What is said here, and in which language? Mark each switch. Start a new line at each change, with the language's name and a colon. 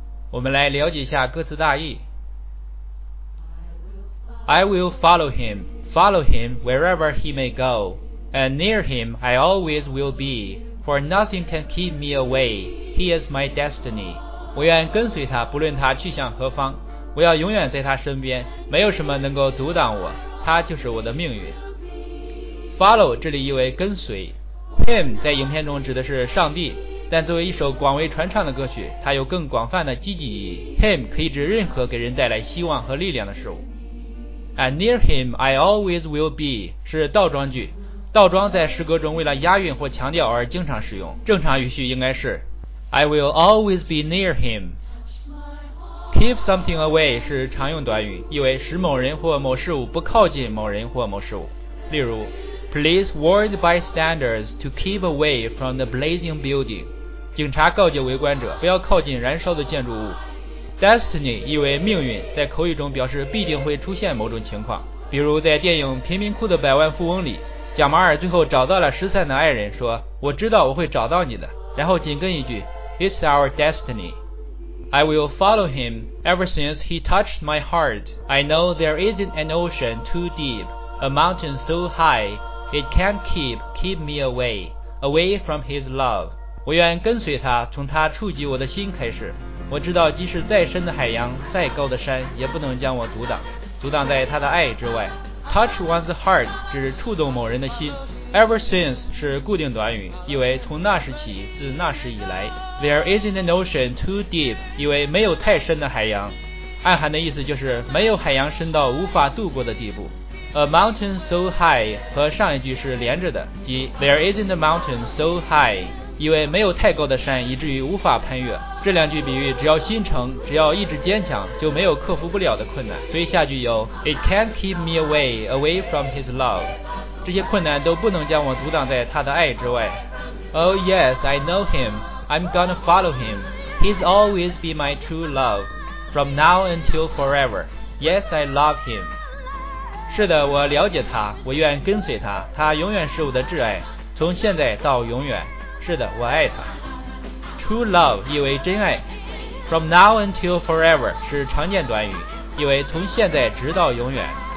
Chinese: 我们来了解一下歌词大意。
English: I will follow him, follow him wherever he may go, and near him I always will be, for nothing can keep me away, he is my destiny.
Chinese: 我愿跟随他，不论他去向何方，我要永远在他身边，没有什么能够阻挡我，他就是我的命运。 follow 这里意为跟随， him 在影片中指的是上帝，但作为一首广为传唱的歌曲，它有更广泛的积极意义。 Him 可以指任何给人带来希望和力量的事物。
English: And near him I always will be
Chinese: 是倒装句，倒装在诗歌中为了押韵或强调而经常使用，正常语序应该是
English: I will always be near him。 Keep something away
Chinese: 是常用短语，意为使某人或某事物不靠近某人或某事物。例如
English: Police warned bystanders to keep away from the blazing building.
Chinese: 警察告诫围观者不要靠近燃烧的建筑物。Destiny 意为命运，在口语中表示必定会出现某种情况。比如在电影《贫民窟的百万富翁》里，贾马尔最后找到了失散的爱人，说：“我知道我会找到你的。”然后紧跟一句
English: It's our destiny. I will follow him ever since he touched my heart. I know there isn't an ocean too deep, a mountain so high, it can't keep me away from his love.
Chinese: 我愿跟随他，从他触及我的心开始。我知道即使再深的海洋，再高的山，也不能将我阻挡在他的爱之外。
English: Touch one's heart
Chinese: 指触动某人的心。
English: Ever since
Chinese: 是固定短语，意为从那时起，自那时以来。
English: There isn't an ocean too deep
Chinese: 意为没有太深的海洋，暗含的意思就是没有海洋深到无法渡过的地步。
English: A mountain so high
Chinese: 和上一句是连着的，即
English: There isn't a mountain so high
Chinese: 意为没有太高的山以至于无法攀越。这两句比喻只要心诚，只要意志坚强，就没有克服不了的困难。所以下句有
English: It can't keep me away from his love，
Chinese: 这些困难都不能将我阻挡在他的爱之外。
English: Oh yes, I know him, I'm gonna follow him, he's always be my true love from now until forever. Yes, I love him。
Chinese: 是的，我了解他，我愿跟随他，他永远是我的挚爱，从现在到永远。是的，我爱他。
English: True love
Chinese: 意为真爱。
English: From now until forever
Chinese: 是常见短语，意为从现在直到永远。